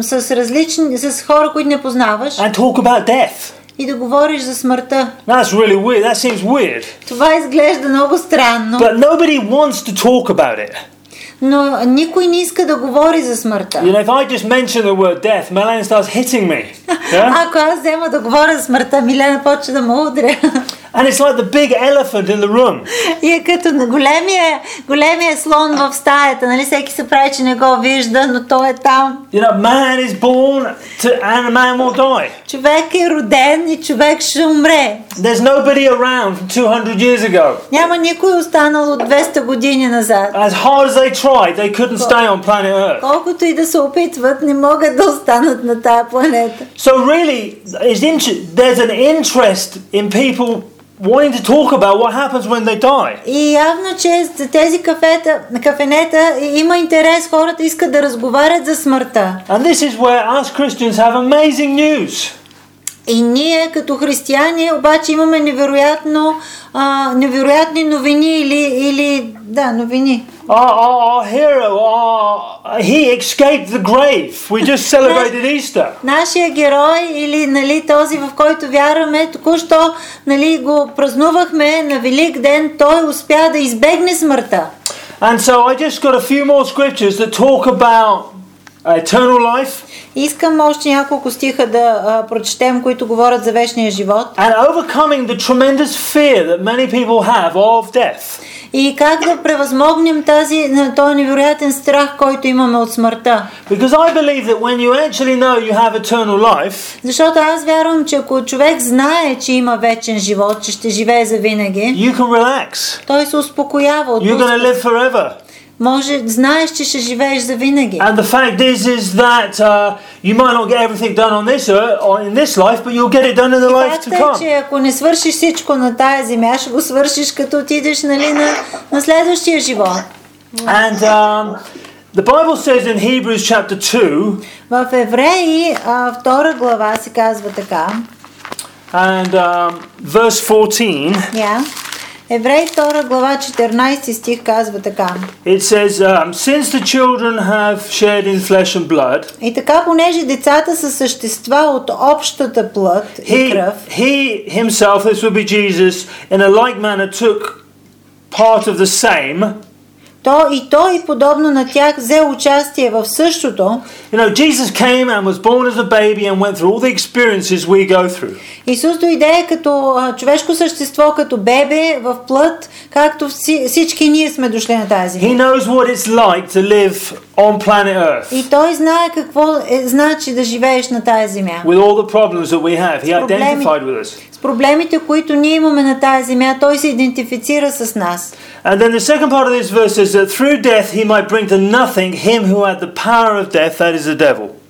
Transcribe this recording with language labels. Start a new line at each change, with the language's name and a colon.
Bulgarian: С различни, с хора, които не познаваш.
English: And talk about death.
Bulgarian: И да говориш за смъртта.
English: That's really weird. That seems weird.
Bulgarian: Това изглежда много странно.
English: But nobody wants to talk about it.
Bulgarian: Но никой не иска да говори за смъртта.
English: You know, if I just mention the word death, Milena starts hitting me. Yeah?
Bulgarian: Ако аз взема да говоря за смъртта, Милена почва да ме удря.
English: And it's like the big elephant in the room.
Bulgarian: И е като големия слон в стаята, нали, всеки се прави, че не го вижда, но той е там.
English: You know, man is born to, and a man will die.
Bulgarian: Човек е роден и човек ще умре.
English: There's nobody around from 200 years ago.
Bulgarian: Няма никой останал от 200 години назад.
English: As hard as they tried, they couldn't stay on planet Earth.
Bulgarian: Колкото и да се опитват, не могат да останат на тая планета.
English: So really, there's an interest in people wanting to talk about what happens when they die.
Bulgarian: И явно, че тези кафенета има интерес, хората искат да разговарят за смъртта.
English: And this is where us Christians have amazing news.
Bulgarian: И ние като християни обаче имаме невероятни новини или новини.
English: Our hero, he escaped the grave. We just celebrated Easter.
Bulgarian: Нашия герой или нали този, в който вярваме, току-що нали го празнувахме на Велик ден, той успя да избегне смъртта.
English: And so I just got a few more scriptures that talk about eternal life.
Bulgarian: Искам още няколко стиха да прочетем, които говорят за вечния живот.
English: And overcoming the tremendous fear that many people have of death.
Bulgarian: И как да превъзмогнем този невероятен страх, който имаме от смъртта.
English: Because I believe that when you actually know you have eternal life.
Bulgarian: Защото аз вярвам, че ако човек знае, че има вечен живот, че ще живее завинаги,
English: you can relax.
Bulgarian: Той се успокоява.
English: You're going to live forever.
Bulgarian: Може, знаеш, че ще живееш завинаги.
English: And the fact is that you might not get everything done on this earth or in this life, but you'll get it done in the life to come.
Bulgarian: Че ако не свършиш всичко на тая земя, ще го свършиш като отидеш, нали, на следващия живот.
English: And the Bible says in Hebrews chapter 2.
Bulgarian: В Евреи, втора глава се казва така.
English: And verse 14.
Bulgarian: Yeah. Евреи 2 глава 14 стих казва така.
English: It says, since the children have shared in flesh and blood.
Bulgarian: И така, понеже децата са същества от общата плът и кръв.
English: He himself, this would be Jesus, in a like manner took part of the same.
Bulgarian: Той подобно на тях взе участие в същото.
English: You know, Jesus came and was born as a baby and went through all the experiences we go through.
Bulgarian: Исус дойде като човешко същество, като бебе в плът, както всички ние сме дошли на тази земя.
English: He knows what it's like to live on planet Earth.
Bulgarian: И той знае какво значи да живееш на тази земя.
English: With all the problems that we have, he identified with us.
Bulgarian: Проблемите, които ние имаме на тая земя, той се идентифицира с нас.
English: And then the second part of this verse is that through death he might bring to nothing him who had the power of death, that is the devil.